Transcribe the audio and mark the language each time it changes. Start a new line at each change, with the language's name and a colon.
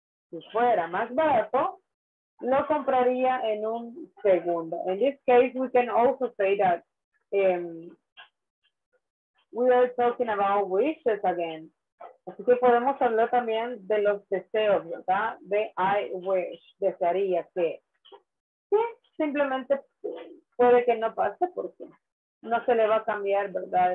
Spanish: Si fuera más barato, lo compraría en un segundo.
English: In this case, we can also say that we are talking about wishes again.
Spanish: Así que podemos hablar también de los deseos, ¿verdad? De
English: I wish,
Spanish: desearía que. Sí, simplemente puede que no pase porque no se le va a cambiar, ¿verdad?